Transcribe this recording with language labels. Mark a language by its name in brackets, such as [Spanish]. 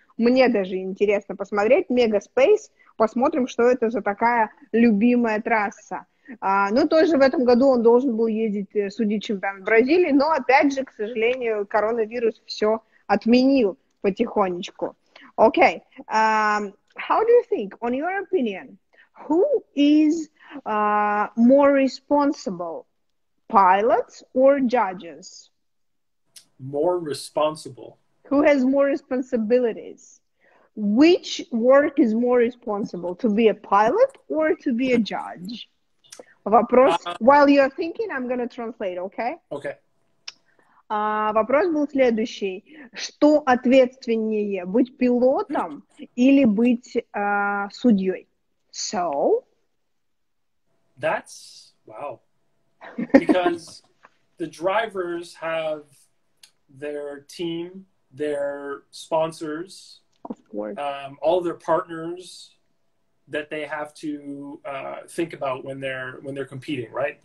[Russian] Мне даже интересно посмотреть Mega Space. Посмотрим, что это за такая любимая трасса. А, ну, тоже в этом году он должен был ездить судить чемпионат Бразилии, но, опять же, к сожалению, коронавирус все отменил потихонечку. [English] Okay. How do you think, on your opinion, who is more responsible, pilots or judges? More responsible. Who has more responsibilities? Which work is more responsible, to be a pilot or to be a judge? [Russian] Вопрос, [English] while you're thinking, I'm going to translate, okay? Okay. [Russian] Вопрос был следующий. Что ответственнее, быть пилотом или быть судьей? [English] So? That's, wow. Because the drivers have their team, their sponsors, all their partners that they have to think about when they're competing, right?